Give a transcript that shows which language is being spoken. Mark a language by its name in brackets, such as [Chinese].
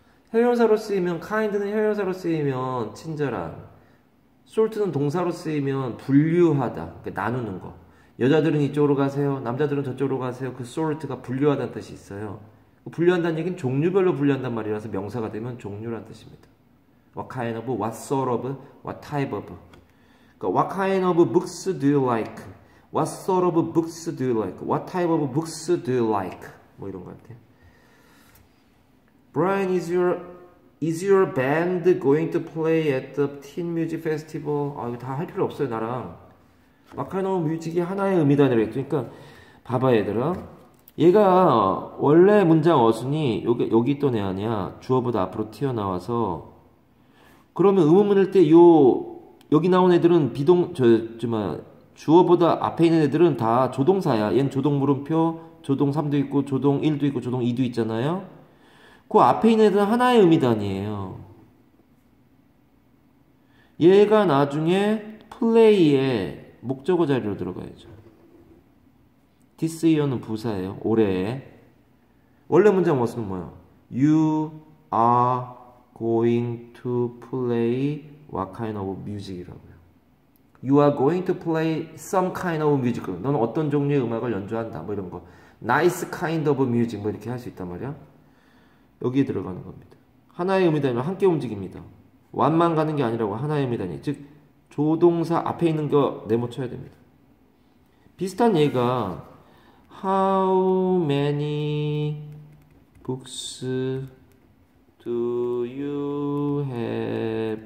[Korean] 형용사로 쓰이면 kind는 형용사로 쓰이면 친절한. sort는 동사로 쓰이면 분류하다. 그러니까 나누는 거. 여자들은 이쪽으로 가세요. 남자들은 저쪽으로 가세요. 그 sort가 분류하다는 뜻이 있어요. 분류한다는 얘기는 종류별로 분류한단 말이라서 명사가 되면 종류란 뜻입니다. [English] What kind of, what sort of, what type of. [Korean] 그러니까 [English] what kind of books do you like? What sort of books do you like? What type of books do you like? [Korean] 뭐 이런 것 같아요. [English] Brian, is your band going to play at the teen music festival? [Korean] 아, 이거 다할 필요 없어요, 나랑. 마카노 뮤직이 하나의 의미다, 그랬으니까. 봐봐, 얘들아. 얘가 원래 문장 어순이 여기 있던 애 아니야. 주어보다 앞으로 튀어나와서 그러면 의문문일 때 여기 나온 애들은 비동 저 뭐야 주어보다 앞에 있는 애들은 다 조동사야. 얜 조동물음표, 조동3도 있고 조동1도 있고 조동2도 있잖아요. 그 앞에 있는 애들은 하나의 음이단이에요. 얘가 나중에 플레이에 목적어 자리로 들어가야죠. [English] This year [Korean] 는 부사예요. 올해. 원래 문장 모습은 뭐예요? [English] You are going to play what kind of music이라고요. You are going to play some kind of music. [Korean] 넌 어떤 종류의 음악을 연주한다. 뭐 이런 거. [English] Nice kind of music. [Korean] 뭐 이렇게 할수 있단 말이야. 여기에 들어가는 겁니다. 하나의 음이다니면 함께 움직입니다. 완만 가는 게 아니라고 하나의 음이다니. 즉, 조동사 앞에 있는 거 네모 쳐야 됩니다. 비슷한 얘가 [English] How many books do you have?